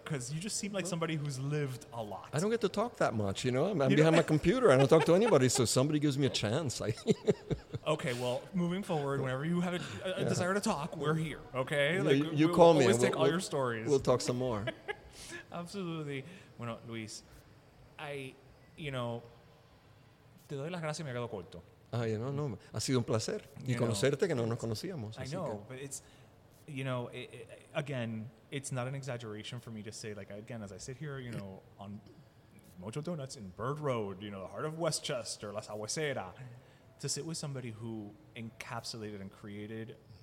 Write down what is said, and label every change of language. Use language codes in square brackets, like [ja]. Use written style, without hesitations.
[en] Because you just seem like somebody who's lived a lot. I don't get to talk that much, you know. I'm behind my computer. I don't talk to anybody. So somebody gives me a chance. Okay, well, moving forward, whenever you have a desire to talk, we're here, okay? Yeah, like, you call me. We'll take all your stories. We'll talk some more. Absolutely. [es] Bueno, Luis, [en] you know, [es] te doy las gracias y me quedo corto. [en] Ah, you know, [es] no, ha sido un placer. Y conocerte que no nos conocíamos. [en] I know, but it's, you know, again, it's not an exaggeration for me to say, like, again, as I sit here, you know, on Mojo Donuts in Bird Road, you know, the heart of Westchester, Las Aguaceras, to sit with somebody who encapsulated and created